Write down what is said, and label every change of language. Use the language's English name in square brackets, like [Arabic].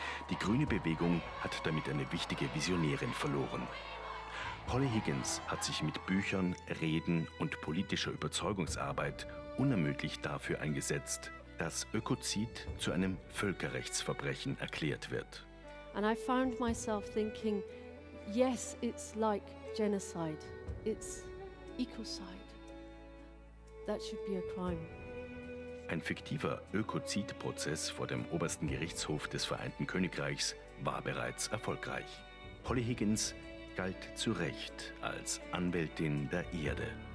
[German] Die grüne Bewegung hat damit eine wichtige Visionärin verloren. Polly Higgins hat sich mit Büchern, Reden und politischer Überzeugungsarbeit unermüdlich dafür eingesetzt, dass Ökozid zu einem Völkerrechtsverbrechen erklärt wird. [English] And I found myself thinking, yes, it's like genocide. It's ecocide. That should be a crime. [German] Ein fiktiver Ökozidprozess vor dem obersten Gerichtshof des Vereinten Königreichs war bereits erfolgreich. Polly Higgins galt zu Recht als Anwältin der Erde.